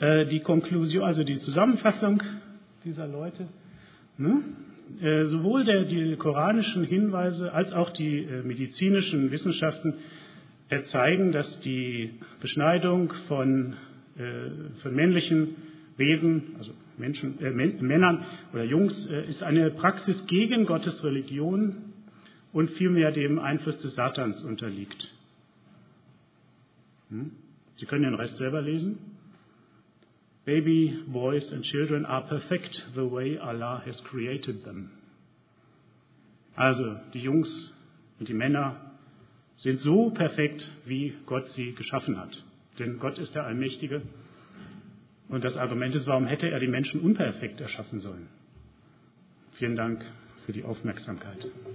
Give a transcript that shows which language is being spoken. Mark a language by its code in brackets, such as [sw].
[de] Die Konklusion, also die Zusammenfassung dieser Leute, sowohl die koranischen Hinweise als auch die medizinischen Wissenschaften zeigen, dass die Beschneidung von männlichen Wesen, also Menschen, Männern oder Jungs, ist eine Praxis gegen Gottes Religion und vielmehr dem Einfluss des Satans unterliegt. Sie können den Rest selber lesen. [en] Baby, boys and children are perfect the way Allah has created them. [de] Also, die Jungs und die Männer sind so perfekt, wie Gott sie geschaffen hat. Denn Gott ist der Allmächtige. Und das Argument ist, warum hätte er die Menschen unperfekt erschaffen sollen? Vielen Dank für die Aufmerksamkeit.